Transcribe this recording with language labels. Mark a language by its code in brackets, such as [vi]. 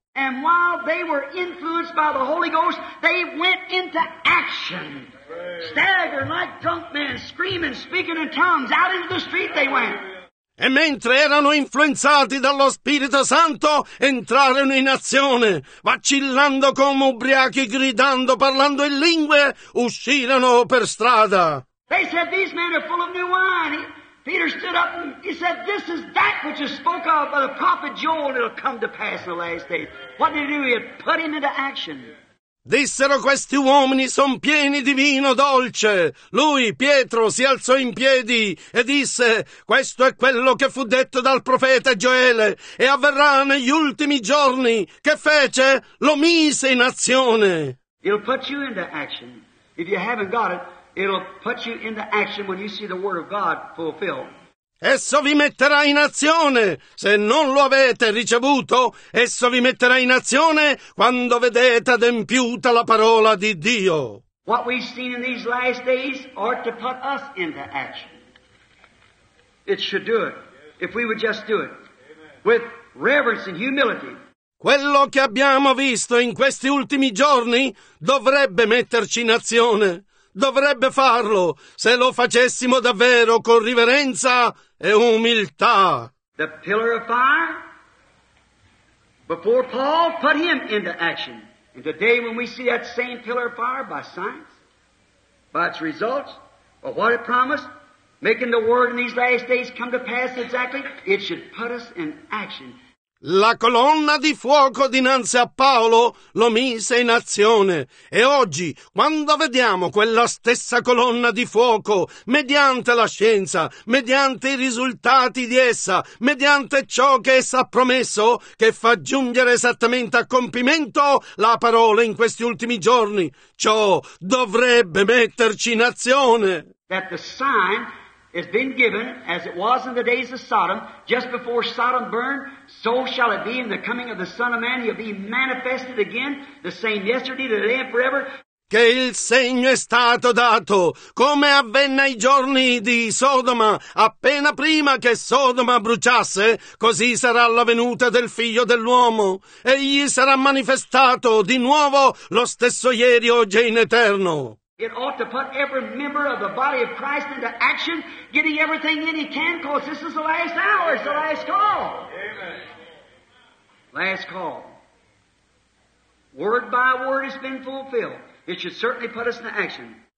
[en] And while they were influenced by the Holy Ghost, they went into action. Staggering like drunk men, screaming, speaking in tongues, out into the street they went. [it] E mentre erano influenzati dallo Spirito Santo, entrarono in azione, vacillando come ubriachi, gridando, parlando in lingue, uscirono per strada. [en] They said, these men are full of new wine. Peter stood up and he said, this is that which is spoken of by the prophet Joel, it'll come to pass in the last days. What did he do? He had put him into action. [it] Dissero, questi uomini son pieni di vino dolce. Lui, Pietro, si alzò in piedi e disse, questo è quello che fu detto dal profeta Gioele e avverrà negli ultimi giorni. Che fece? Lo mise in azione. [en] It'll put you into action. If you haven't got it, it'll put you into action when you see the word of God fulfilled. [it] Esso vi metterà in azione, se non lo avete ricevuto, esso vi metterà in azione quando vedete adempiuta la parola di Dio. [en] What we've seen in these last days ought to put us into action. It should do it, if we would just do it, with reverence and humility. [it] Quello che abbiamo visto in questi ultimi giorni dovrebbe metterci in azione. Dovrebbe farlo, se lo facessimo davvero con riverenza e umiltà. [en] The pillar of fire, before Paul, put him into action. And today when we see that same pillar of fire by science, by its results, by what it promised, making the word in these last days come to pass exactly, it should put us in action. [it] La colonna di fuoco dinanzi a Paolo lo mise in azione. E oggi, quando vediamo quella stessa colonna di fuoco, mediante la scienza, mediante i risultati di essa, mediante ciò che essa ha promesso, che fa giungere esattamente a compimento la parola in questi ultimi giorni, ciò dovrebbe metterci in azione. [en] That the sign has been given, as it was in the days of Sodom, just before Sodom burned, so shall it be in the coming of the Son of Man. He'll be manifested again, the same yesterday, today, and forever. [it] Che il segno è stato dato, come avvenne ai giorni di Sodoma, appena prima che Sodoma bruciasse, così sarà la venuta del Figlio dell'uomo. Egli sarà manifestato di nuovo, lo stesso ieri, oggi e in eterno. [en] It ought to put every member of the body of Christ into action, getting everything in he can, because this is the last hour, it's the last call. Amen. Last call. Word by word it's been fulfilled. It should certainly put us into action.